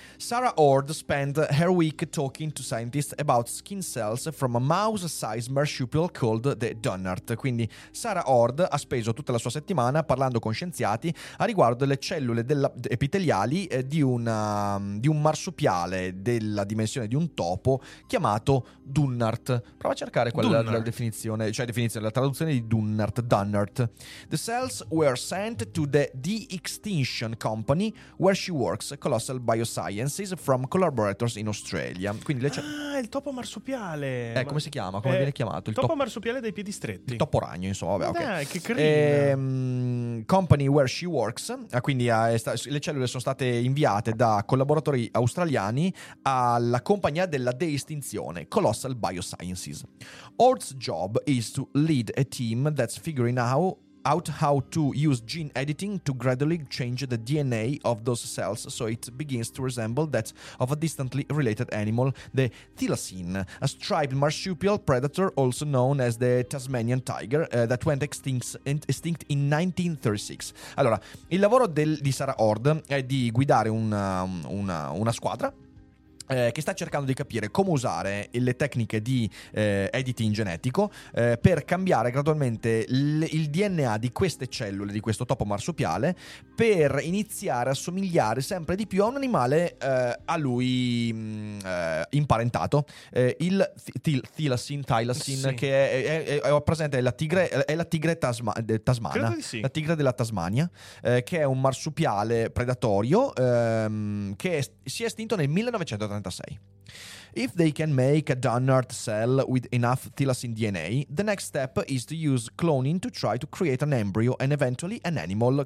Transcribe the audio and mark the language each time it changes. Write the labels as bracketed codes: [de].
[en] Sarah Ord spent her week talking to scientists about skin cells from a mouse-sized marsupial called the Donut. [it] Quindi Sarah Ord ha speso tutta la sua settimana parlando con scienziati a riguardo delle cellule epiteliali di un marsupiale della dimensione di un topo chiamato Donut. Prova a cercare quella della definizione, cioè la traduzione di Donut. [en] The cells were sent to the De-Extinction Company, where she works, Colossal Biosciences, from collaborators in Australia. [it] Quindi il topo marsupiale. Come si chiama? Come viene chiamato? Il topo marsupiale dei piedi stretti. Il topo ragno, insomma. Vabbè, okay. Che carino. [en] Company where she works. [it] Quindi le cellule sono state inviate da collaboratori australiani alla compagnia della de-estinzione, Colossal Biosciences. [en] Ord's job is to lead a team that's figuring out how to use gene editing to gradually change the DNA of those cells so it begins to resemble that of a distantly related animal, the thylacine, a striped marsupial predator also known as the Tasmanian tiger, that went extinct in 1936. [it] Allora, il lavoro di Sarah Ord è di guidare una squadra che sta cercando di capire come usare le tecniche di editing genetico per cambiare gradualmente il DNA di queste cellule, di questo topo marsupiale, per iniziare a somigliare sempre di più a un animale a lui imparentato, il thylacine, sì, che è presente, la tigre della Tasmania, che è un marsupiale predatorio che si è estinto nel 1936. [en] If they can make a Dunnart cell with enough thylacine DNA, the next step is to use cloning to try to create an embryo and eventually an animal.